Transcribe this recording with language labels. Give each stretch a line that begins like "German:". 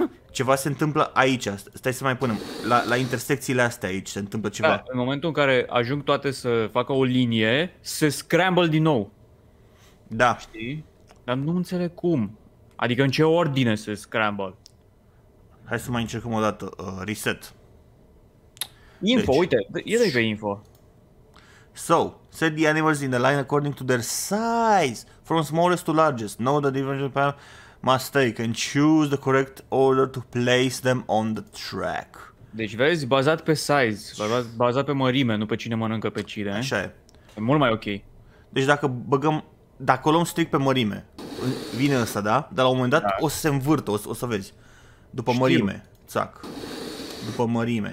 Romanian: Ceva se întâmplă aici, stai să mai punem, la intersecțiile astea aici se întâmplă ceva. Da, în momentul în care ajung toate să facă o linie, se scramble din nou. Da. Știi? Dar nu înțeleg cum. Adică în ce ordine se scramble. Hai să mai încercăm o dată, reset. Info, deci. Uite, ia-i pe info.
English: So, set the animals in the line according to their size, from smallest to largest, know the dimension panel. Must take and choose the correct order to place them on the track.
Romanian: Deci vezi, bazat pe size, bazat pe mărime, nu pe cine mănâncă pe cine. Așa e. E mult mai ok. Deci dacă o luăm strict pe mărime, vine ăsta, da? Dar la un moment dat o să se învârtă, o să vezi. După știu. Mărime, țac. După mărime,